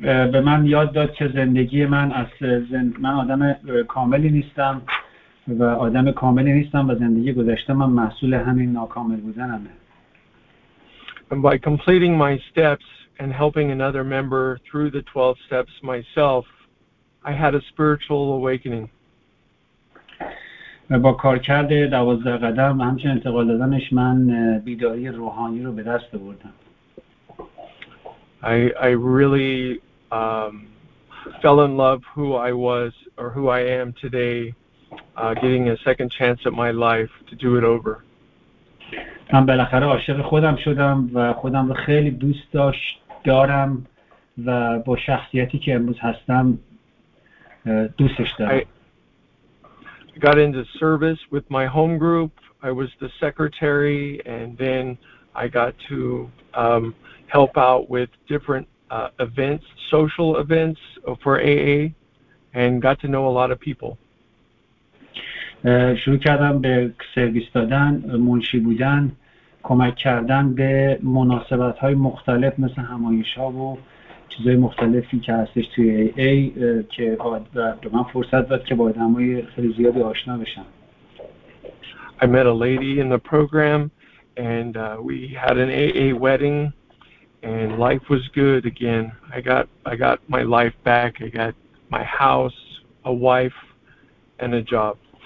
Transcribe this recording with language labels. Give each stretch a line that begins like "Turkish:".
Persian: به من یاد داد که زندگی من از من آدم کاملی نیستم و آدم کاملی نیستم و زندگی گذشتم من محصول همین ناکامل بودنمه.
English: And by completing my steps and helping another member through the 12 steps myself, I had a spiritual awakening.
Persian: با کار کرده 12 قدم و همچنین انتقال دادنش من بیداری روحانی رو به دست آوردم.
English: I really fell in love who I was or who I am today, getting a second chance at my life to do it over.
Persian: من بالاخره عاشق خودم شدم و خودم رو خیلی دوست دارم و با شخصیتی که امروز هستم دوستش دارم.
English: I got into service with my home group. I was the secretary and then I got to help out with different events, social events for AA and got to know a lot of people.
Persian: شروع کردم به سرویس دادن، منشی بودن، کمک کردن به مناسبت‌های مختلف مثل همایش‌ها و چیزهای مختلفی که هستش توی AA که به من فرصت داد که با آدم‌های خیلی زیادی آشنا بشم.
English: I met a lady in the program and we had an AA wedding and life was good again. I got my life back. I got my house, a wife and a job.